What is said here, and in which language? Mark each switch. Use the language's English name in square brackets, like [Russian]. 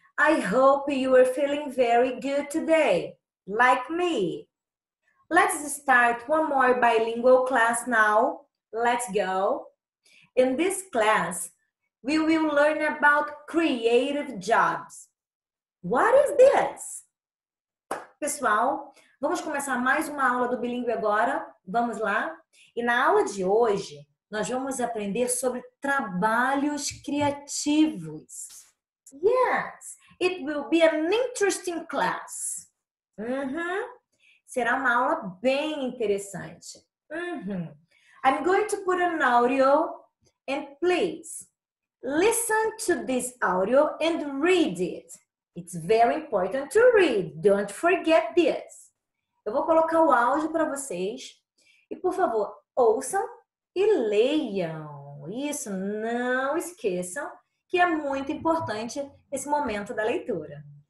[English] I hope you are feeling very good today, like me. Let's start one more bilingual class now. Let's go. In this class, we will learn about creative jobs. What is this? [Portuguese] Pessoal, vamos começar mais uma aula do bilíngue agora. Vamos lá? E na aula de hoje, nós vamos aprender sobre trabalhos criativos. [English] Yes, it will be an interesting class. Uhum. [Portuguese] Será uma aula bem interessante. Uhum. [English] I'm going to put an audio and please listen to this audio and read it. It's very important to read. Don't forget this. [Portuguese] Eu vou colocar o áudio para vocês e, por favor, ouçam e leiam. Isso, não esqueçam que é muito importante esse momento da leitura.